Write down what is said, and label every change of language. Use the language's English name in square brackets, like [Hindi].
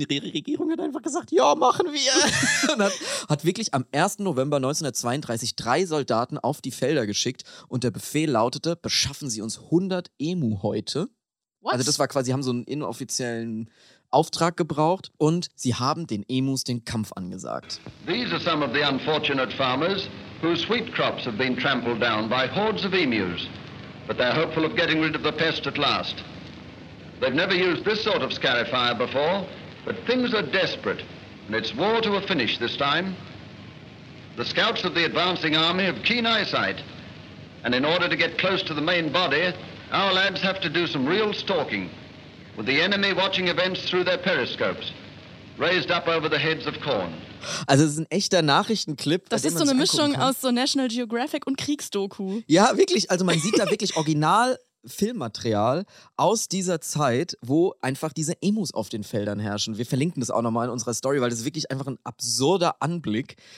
[German] Die Regierung hat einfach gesagt, ja, machen wir. Und hat wirklich am 1. November 1932 drei Soldaten auf die Felder geschickt und der Befehl lautete, beschaffen Sie uns 100 Emu-Häute. [English] What? [German] Also das war quasi, haben so einen inoffiziellen Auftrag gebraucht und sie haben den Emus den Kampf angesagt. [English] These are some of the unfortunate farmers whose wheat crops have been trampled down by hordes of emus, but they're hopeful of getting rid of the pest at last. They've never used this sort of scarifier before, but things are desperate and it's war to a finish this time. The scouts of the advancing army have keen eyesight and in order to get close to the main body, our lads have to do some real stalking. With the enemy watching events through their periscopes, raised up over the heads of corn. [German] Also es ist ein echter Nachrichtenclip. Das ist so eine Mischung aus so National Geographic und Kriegsdoku. Ja, wirklich. Also man sieht da wirklich original Filmmaterial aus dieser Zeit, wo einfach diese Emus auf den Feldern herrschen. Wir verlinken das auch nochmal in unserer Story, weil das ist wirklich einfach ein absurder Anblick.